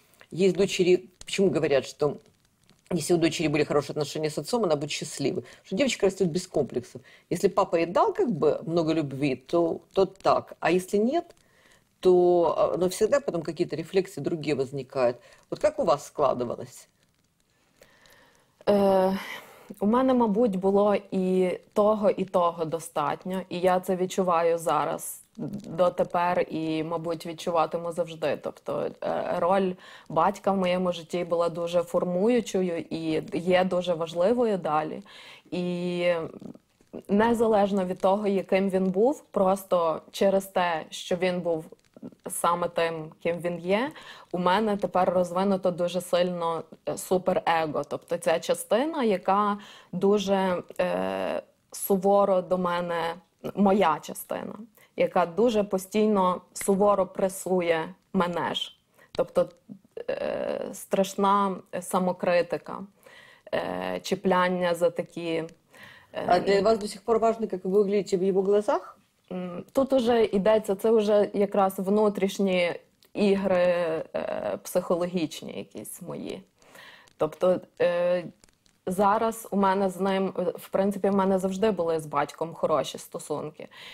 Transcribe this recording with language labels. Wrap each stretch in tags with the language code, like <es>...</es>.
<ru>Есть дочери, почему говорят, что... Если у дочери были хорошие отношения с отцом, она будет счастливой. Что девочка растет без комплексов. Если папа ей дал как бы много любви, то так. А если нет, то но всегда потом какие-то рефлексии другие возникают. Вот как у вас складывалось?</ru> <uk>У мене, мабуть, було і того достатньо. І я це відчуваю зараз дотепер і, мабуть, відчуватиму завжди. Тобто роль батька в моєму житті була дуже формуючою і є дуже важливою далі. І незалежно від того, яким він був, просто через те, що він був саме тим, ким він є, у мене тепер розвинуто дуже сильно суперего. Тобто ця частина, яка дуже суворо до мене, моя частина, яка дуже постійно суворо пресує мене ж. Тобто страшна самокритика, чіпляння за такі.</uk> <ru>А для вас до сих пор важно, как вы выглядите в его глазах?</ru> <uk>Тут уже йдеться, це вже якраз внутрішні ігри психологічні якісь мої. Тобто зараз у мене з ним, в принципі, в мене завжди були з батьком хороші стосунки.</uk>